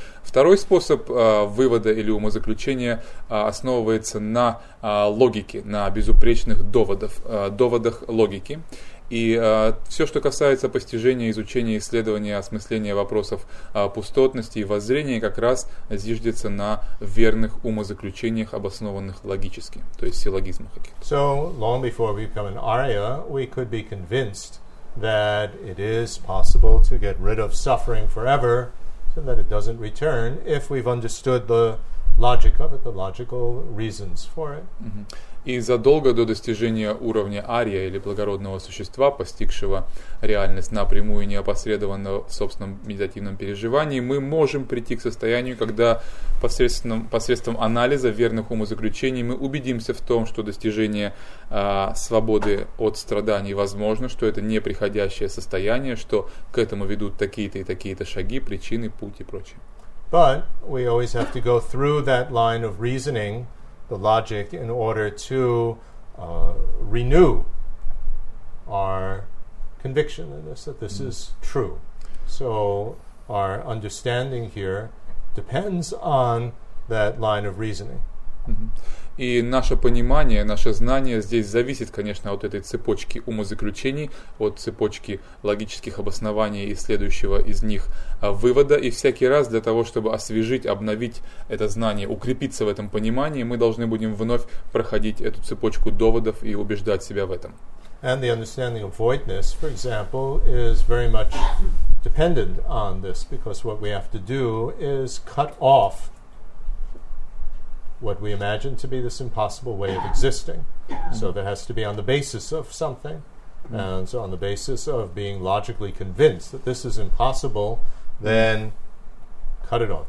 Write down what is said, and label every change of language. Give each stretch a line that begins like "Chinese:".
Russian: Второй способ вывода или умозаключения основывается на логике, на безупречных доводах логики. И все, что касается постижения, изучения, исследования, осмысления вопросов пустотности и воззрения, как раз зиждется на верных умозаключениях, обоснованных логически, то есть силлогизмах.
English: So, long before we become an Arya, we could be convinced that it is possible to get rid of suffering forever, so that it doesn't return, if we've understood the logic of it, the logical reasons for it. Mm-hmm.
Russian: И задолго до достижения уровня ария или благородного существа, постигшего реальность напрямую и неопосредованно в собственном медитативном переживании, мы можем прийти к состоянию, когда посредством анализа верных умозаключений мы убедимся в том, что достижение свободы от страданий возможно, что это неприходящее состояние, что к этому ведут такие-то и такие-то шаги, причины, путь и прочее.
English: But we always have to go through that line of reasoning, the logic, in order to renew our conviction in this, that this is true. So our understanding here depends on that line of reasoning. Mm-hmm.
Russian: И наше понимание, наше знание здесь зависит, конечно, от этой цепочки умозаключений, от цепочки логических обоснований и следующего из них вывода. И всякий раз для того, чтобы освежить, обновить это знание, укрепиться в этом понимании, мы должны будем вновь проходить эту цепочку доводов и убеждать себя в этом.
English: And the understanding of voidness, for example, is very much dependent on this, because what we have to do is cut off what we imagine to be this impossible way of existing. So that has to be on the basis of something, and so on the basis of being logically convinced that this is impossible, then cut it off.